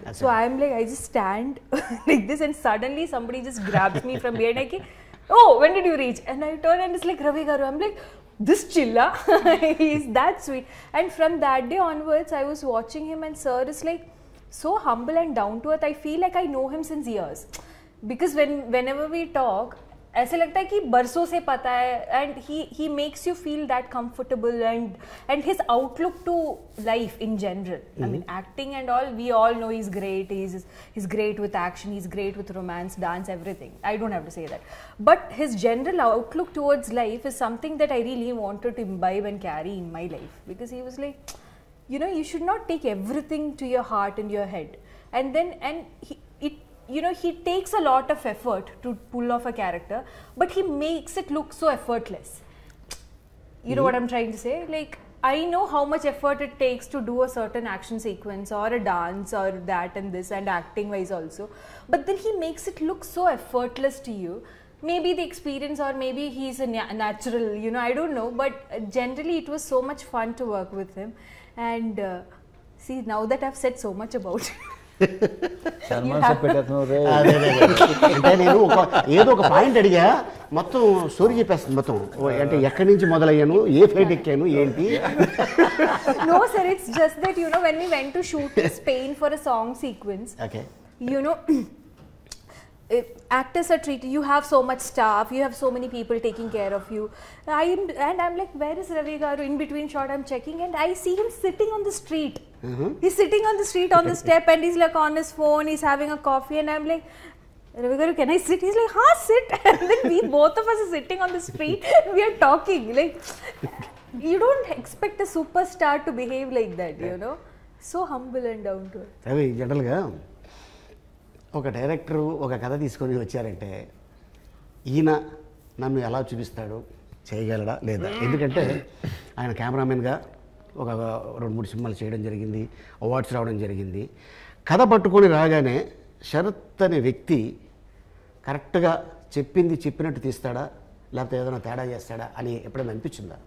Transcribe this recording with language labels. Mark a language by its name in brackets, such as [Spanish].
[English] So I'm like, I just stand like this and suddenly somebody just grabs me from behind. I'm like, oh, when did you reach? And I turn and it's like, Ravi Garu. I'm like, this chilla, he's that sweet. And from that day onwards, I was watching him and sir is like so humble and down to earth. I feel like I know him since years. Because whenever we talk, [Hindi] ऐसे लगता है कि बरसों से पता है [English] And he makes you feel that comfortable and his outlook to life in general I mean acting and all we all know is great is great with action is great with romance dance everything I don't have to say that but his general outlook towards life is something that I really wanted to imbibe and carry in my life because he was like you know you should not take everything to your heart and your head and then and You know, he takes a lot of effort to pull off a character, but he makes it look so effortless. You know what I'm trying to say? Like, I know how much effort it takes to do a certain action sequence or a dance or that and this and acting wise also. But then he makes it look so effortless to you. Maybe the experience or maybe he's a natural, you know, I don't know. But generally, it was so much fun to work with him. And see, now that I've said so much about him. [Telugu] నేను ఒక ఏదో ఒక point అడిగా మొత్తం story చెప్పేస్తాను మొత్తం అంటే ఎక్కడి నుంచి మొదలయ్యాను ఏ ఫ్లైట్ ఎక్కాను ఏంటి [English] no sir it's just that you know when we went to shoot Spain for a song sequence okay you know actors are treated you have so much staff you have so many people taking care of you I'm like where is Ravi Garu in between shot I'm checking and I see him sitting on the street he's sitting on the street on the step and he's like on his phone he's having a coffee and I'm like Ravi Garu can I sit he's like ha sit and then we both of us are sitting on the street we are talking like you don't expect a superstar to behave like that you know so humble and down to earth [Telugu] Ravi gentle ఒక director ఒక కథ తీసుకొని వచ్చారంటే ఈయన నన్ను ఎలా చూపిస్తాడు చేయగలడా లేదా ఎందుకంటే ఆయన కెమెరామెన్గా ఒక రెండు మూడు సినిమాలు చేయడం జరిగింది అవార్డ్స్ రావడం జరిగింది కథ పట్టుకొని రాగానే శరత్ అనే వ్యక్తి కరెక్ట్గా చెప్పింది చెప్పినట్టు తీస్తాడా లేకపోతే ఏదైనా తేడా చేస్తాడా అని ఎప్పుడైనా అనిపించిందా